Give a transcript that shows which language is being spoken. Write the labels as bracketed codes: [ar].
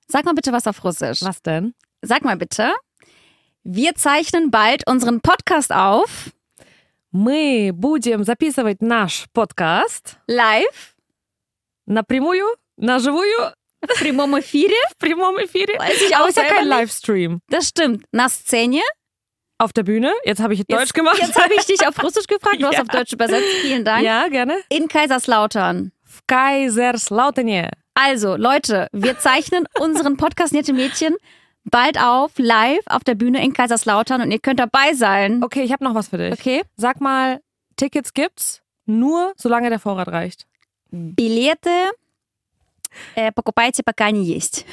[de] Sag mal bitte was auf Russisch. Was denn? Sag mal bitte, wir zeichnen bald unseren Podcast auf. [ru] Мы будем записывать наш подкаст. [de] Live. [ru] Напрямую, наживую. В прямом эфире. В прямом эфире. [de] Weiß ich auch Aber es ist ja kein Livestream. Das stimmt. [ru] На сцене. [de] Auf der Bühne. Jetzt habe ich jetzt, Deutsch gemacht. Jetzt habe ich dich auf Russisch gefragt. Du hast auf Deutsch übersetzt. Vielen Dank. Ja, gerne. In Kaiserslautern. [ru] В Kaiserslautern. [de] Also, Leute, wir zeichnen unseren Podcast Nette Mädchen bald auf, live auf der Bühne in Kaiserslautern und ihr könnt dabei sein. Okay, ich habe noch was für dich. Okay. Sag mal, Tickets gibt's nur, solange der Vorrat reicht. [ru] Билеты покупайте, пока они есть.